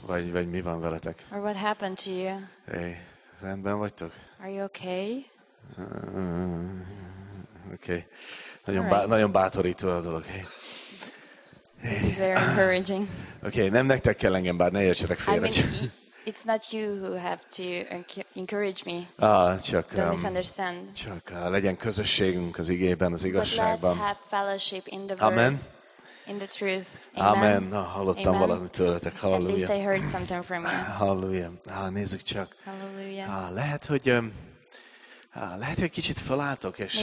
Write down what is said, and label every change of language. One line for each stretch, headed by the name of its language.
Hungarian: Vagy mi van veletek?
English: Or what happened to you?
Hungarian: Hey, rendben vagytok?
English: Are you okay? Okay.
Hungarian: Nagyon bátorító a dolog, hey.
English: This is very encouraging.
Hungarian: Okay, nem nektek kell engem bár, ne értsetek félre.
English: I mean, it's not you who have to encourage me.
Hungarian: Ah, csak,
English: don't misunderstand.
Hungarian: Csak legyen közösségünk az igében, az igazságban.
English: But let's have fellowship in the word. Amen. In the truth.
Hungarian: Amen. Amen. Na, hallottam Amen. Valamit tőletek. Halleluja.
English: At least I heard something from you.
Hungarian: Halleluja. Ah, nézzük csak. Halleluja. Ah, lehet, hogy egy kicsit felálltok, és...